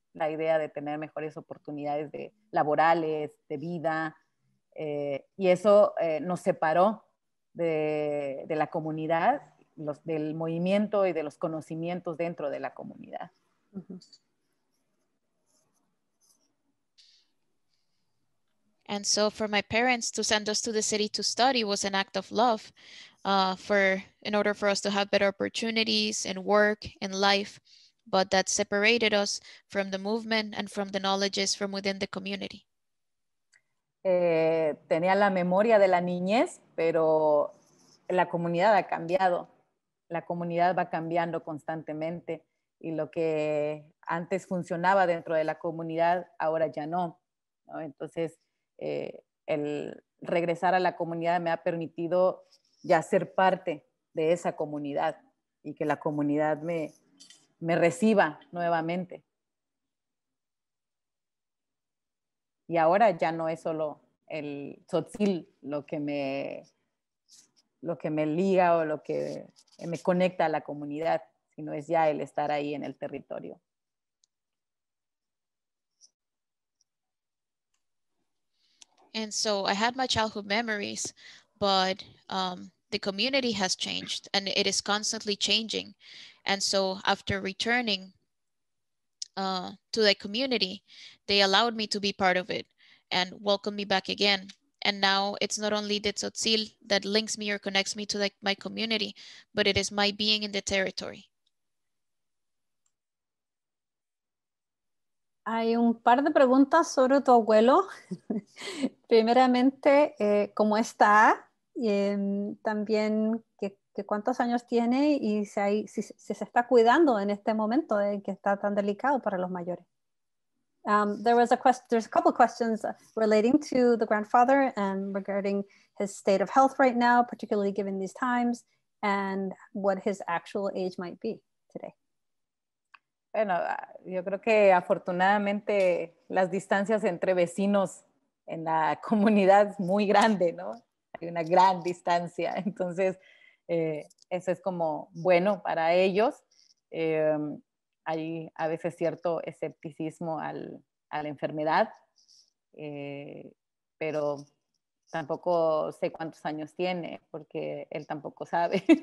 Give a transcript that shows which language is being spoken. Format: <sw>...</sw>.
<es>la idea de tener mejores oportunidades de laborales, de vida, y eso nos separó de la comunidad, del movimiento y de los conocimientos dentro de la comunidad.</es> <en>And so for my parents to send us to the city to study was an act of love, in order for us to have better opportunities and work and life, but that separated us from the movement and from the knowledges from within the community.</en> <es>Tenía la memoria de la niñez, pero la comunidad ha cambiado. La comunidad va cambiando constantemente y lo que antes funcionaba dentro de la comunidad ahora ya no, ¿no? Entonces, el regresar a la comunidad me ha permitido ya ser parte de esa comunidad y que la comunidad me reciba nuevamente. Y ahora ya no es solo el tzotzil lo que me liga o lo que me conecta a la comunidad, sino es ya el estar ahí en el territorio.</es> <en>And so I had my childhood memories, but the community has changed and it is constantly changing. And so after returning to the community, they allowed me to be part of it and welcomed me back again. And now it's not only the tzotzil that links me or connects me to my community, but it is my being in the territory.</en> <es>Hay un par de preguntas sobre tu abuelo. Primeramente, ¿cómo está? También, ¿qué cuántos años tiene? Y si se está cuidando en este momento en que está tan delicado para los mayores.</es> <en>There's a couple of questions relating to the grandfather and regarding his state of health right now, particularly given these times, and what his actual age might be today.</en> <es>Bueno, yo creo que afortunadamente las distancias entre vecinos en la comunidad es muy grande, ¿no? Hay una gran distancia. Entonces, eso es como bueno para ellos. Hay a veces cierto escepticismo a la enfermedad, pero tampoco sé cuántos años tiene porque él tampoco sabe.</es>